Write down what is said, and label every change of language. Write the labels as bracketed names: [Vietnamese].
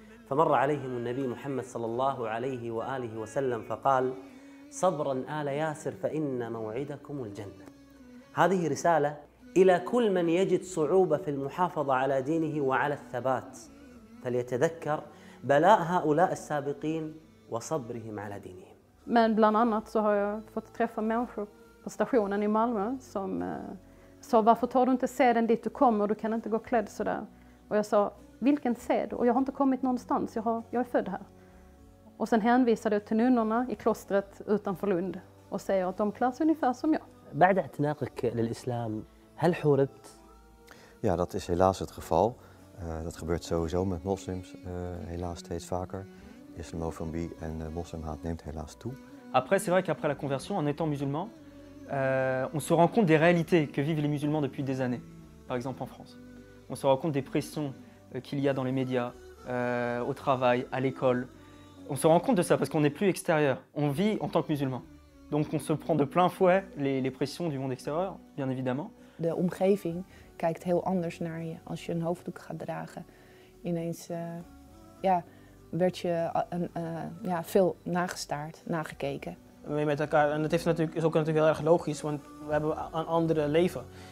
[Arabic] فمر عليهم النبي محمد صلى الله عليه وآله وسلم فقال صبرا آل ياسر فإن موعدكم الجنة. هذه رسالة إلى كل من يجد صعوبة في المحافظة على دينه وعلى الثبات، فليتذكر بلاء هؤلاء السابقين وصبرهم على دينهم. [Swedish] Men bland annat så har jag fått träffa människor på stationen i Malmö som sa varför tar du inte seden dit du kommer, du kan inte gå klädd så där. Och jag sa vilken sed, och jag har inte kommit någonstans, jag är född här. Och sen hänvisade jag till nunnorna i klostret utanför Lund och säger att de klär sig ungefär som jag. [Arabic] بعد اعتناقك للإسلام هل حوربت؟ [Dutch] Ja, dat is helaas het geval. Dat gebeurt sowieso met moslims helaas steeds vaker. Islamofobie en moslimhaat neemt helaas toe. [French] Après, c'est vrai qu'après la conversion, en étant musulman, on se rend compte des réalités que vivent les musulmans depuis des années, par exemple en France. On se rend compte des pressions qu'il y a dans les médias, au travail, à l'école. On se rend compte de ça parce qu'on n'est plus extérieur, on vit en tant que musulman. Donc on se prend de plein fouet les pressions du monde extérieur, bien évidemment. [Dutch] De omgeving kijkt heel anders naar je als je een hoofddoek gaat dragen. Ineens werd je veel nagestaard, nagekeken. Met elkaar, en dat is ook natuurlijk heel erg logisch, want we hebben een andere leven.